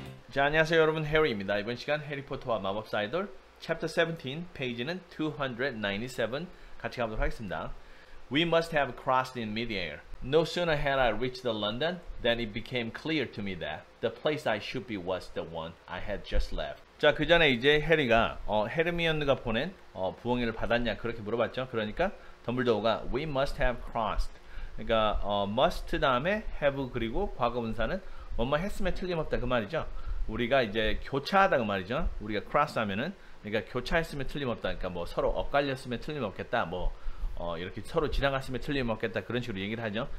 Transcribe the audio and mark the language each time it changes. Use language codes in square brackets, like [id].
[ko] 자, 안녕하세요 여러분, 해리입니다. 이번 시간 해리포터와 마법사 아이돌 챕터 17 페이지는 297 같이 가보도록 하겠습니다. [en] We must have crossed in midair. No sooner had I reached the London than it became clear to me that the place I should be was the one I had just left. [ko] 자, 그 전에 이제 해리가 헤르미온느가 보낸 부엉이를 받았냐 그렇게 물어봤죠. 그러니까 덤블도어가 [en] We must have crossed, [ko] 그러니까 must 다음에 have, 그리고 과거분사는 뭐뭐 했으면 틀림없다 그 말이죠. 우리가 이제 교차하다 그 말이죠. 우리가 cross 하면은, 그러니까 교차했으면 틀림없다, 그러니까 뭐 서로 엇갈렸으면 틀림없겠다, 뭐 이렇게 서로 지나갔으면 틀림없겠다, 그런 식으로 얘기를 하죠.